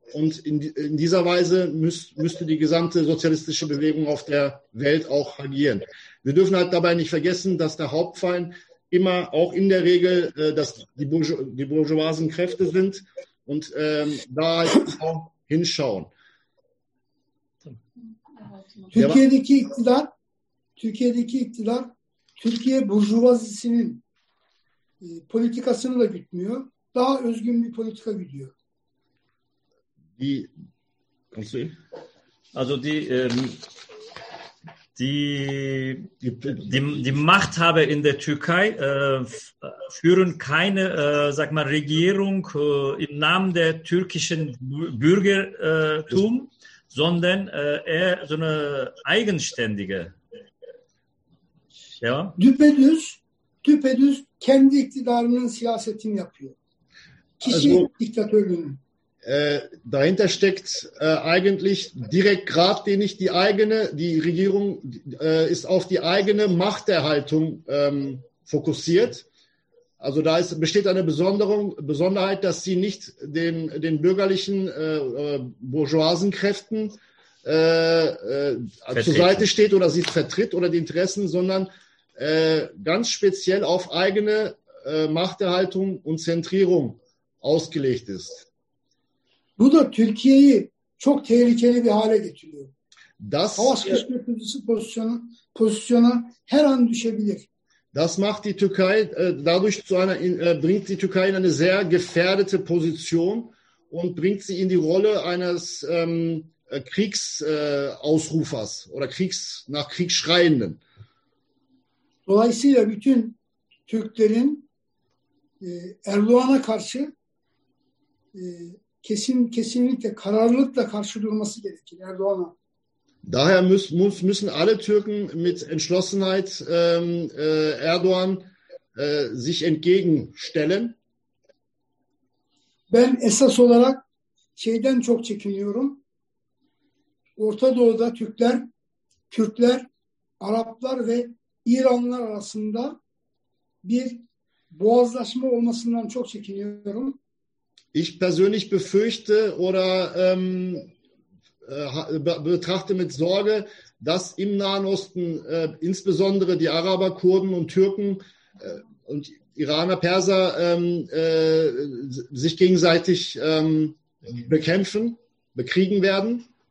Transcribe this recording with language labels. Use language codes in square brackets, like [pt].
[de] Und in dieser Weise müsste die gesamte sozialistische Bewegung auf der Welt auch agieren. Wir dürfen halt dabei nicht vergessen, dass der Hauptfeind immer auch in der Regel, dass die bourgeoisen Kräfte sind und da auch hinschauen. [tr] Türkiye'deki iktidar, Türkiye'deki iktidar, Türkiye burjuvazisinin politikasını da gütmüyor. Daha özgün bir politika gidiyor. [de] Also die Machthaber in der Türkei führen keine, sag mal, Regierung im Namen der türkischen Bürgertum, sondern eher so eine eigenständige. Ja. [tr] Düpedüz kendi iktidarının siyasetini yapıyor. Kişi diktatörlüğünü. [de] Dahinter steckt eigentlich direkt gerade nicht die eigene, die Regierung ist auf die eigene Machterhaltung fokussiert. Also da ist, besteht eine Besonderheit, dass sie nicht den bürgerlichen bourgeoisen Kräften zur Seite steht oder sie vertritt oder die Interessen, sondern ganz speziell auf eigene Machterhaltung und Zentrierung ausgelegt ist. [tr] Bu da Türkiye'yi çok tehlikeli bir hale getiriyor. Hava sıkıştırıcısı pozisyona her an düşebilir. [de] Das macht die Türkei dadurch zu einer bringt die Türkei in eine sehr gefährdete Position und bringt sie in die Rolle eines Kriegsausrufers oder nach Kriegsschreienden. [tr] Dolayısıyla bütün Türklerin Erdoğan'a karşı kesinlikle kararlılıkla karşı durması gerekir Erdoğan'a. [de] Daher müssen alle Türken mit Entschlossenheit Erdoğan sich entgegenstellen. [tr] Ben esas olarak şeyden çok çekiniyorum. Orta Doğu'da Türkler, Kürtler, Araplar ve İranlılar arasında bir boğazlaşma olmasından çok çekiniyorum. [de] Ich persönlich befürchte oder betrachte mit Sorge, dass im Nahen Osten insbesondere die Araber, Kurden und Türken und Iraner, Perser sich gegenseitig bekriegen werden.